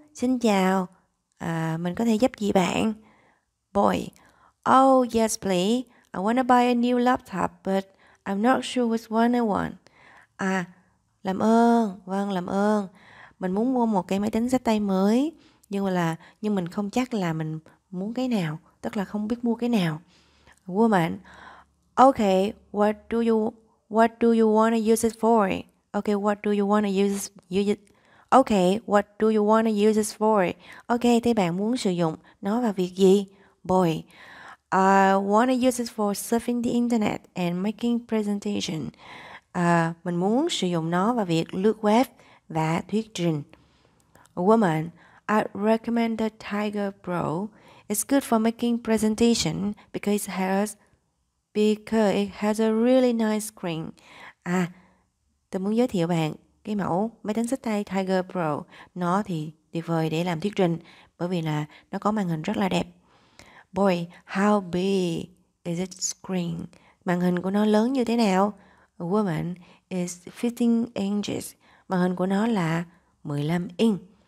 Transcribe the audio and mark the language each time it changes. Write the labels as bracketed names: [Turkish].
[Vietnamese] Xin chào, mình có thể giúp gì bạn? [English] Boy, oh yes please, I want to buy a new laptop, but I'm not sure which one I want. [Vietnamese] Làm ơn, vâng, làm ơn. Mình muốn mua một cái máy tính xách tay mới, nhưng mình không chắc là mình muốn cái nào, tức là không biết mua cái nào. [English] Woman, okay, what do you want to use it for? Okay, what do you want to use it? Okay, what do you want to use it for? [Vietnamese] Okay, thế bạn muốn sử dụng nó vào việc gì? [English] Boy, I want to use it for surfing the internet and making presentation. [Vietnamese] Mình muốn sử dụng nó vào việc lướt web và thuyết trình. [English] Woman, I recommend the Tiger Pro. It's good for making presentation because it has a really nice screen. [Vietnamese] Tôi muốn giới thiệu bạn cái mẫu máy tính xách tay Tiger Pro. Nó thì tuyệt vời để làm thuyết trình bởi vì là nó có màn hình rất là đẹp. [English] Boy, how big is its screen? [Vietnamese] Màn hình của nó lớn như thế nào? [English] A woman, is 15 inches. [Vietnamese] Màn hình của nó là 15 inch.